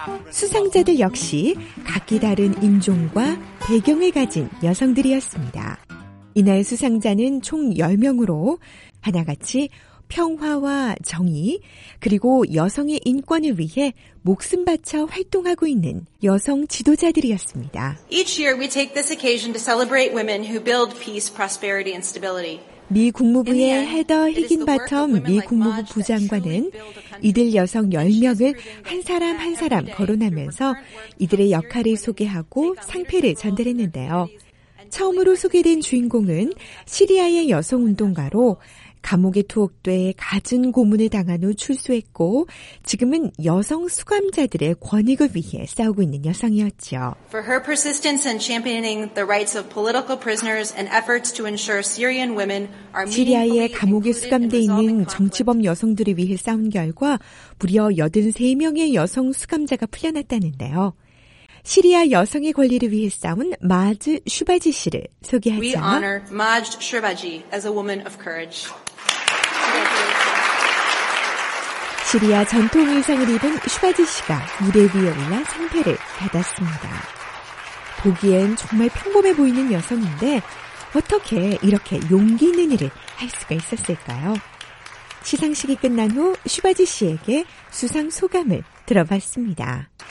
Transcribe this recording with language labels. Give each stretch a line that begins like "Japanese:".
Korean: 수상자들 역시 각기 다른 인종과 배경을 가진 여성들이었습니다. 이날 수상자는 총 10명으로 하나같이 평화와 정의, 그리고 여성의 인권을 위해 목숨 바쳐 활동하고 있는 여성 지도자들이었습니다.
English: Each year we take this occasion to celebrate women who build peace, prosperity and stability.
Korean: 미 국무부의 헤더 히긴바텀 미 국무부 부장관은 이들 여성 10명을 한 사람 한 사람 거론하면서 이들의 역할을 소개하고 상패를 전달했는데요. 처음으로 소개된 주인공은 시리아의 여성 운동가로 감옥에 투옥돼 가진 고문을 당한 후 출소했고 지금은 여성 수감자들의 권익을 위해 싸우고 있는 여성이었죠.
English: For her persistence in championing the rights of political prisoners and efforts to ensure Syrian women are meaningfully included in resolving conflict.
Korean: 시리아의 감옥에 수감돼 있는 정치범 여성들을 위해 싸운 결과 무려 83명의 여성 수감자가 풀려났다는데요. 시리아 여성의 권리를 위해 싸운 마즈 슈바지 씨를 소개하자.
English: We honor Maj Shubaji as a woman of courage.
Korean: 시리아 전통 의상을 입은 슈바지 씨가 무대 위에 올라 상패를 받았습니다. 보기엔 정말 평범해 보이는 여성인데 어떻게 이렇게 용기 있는 일을 할 수가 있었을까요? 시상식이 끝난 후 슈바지 씨에게 수상 소감을 들어봤습니다.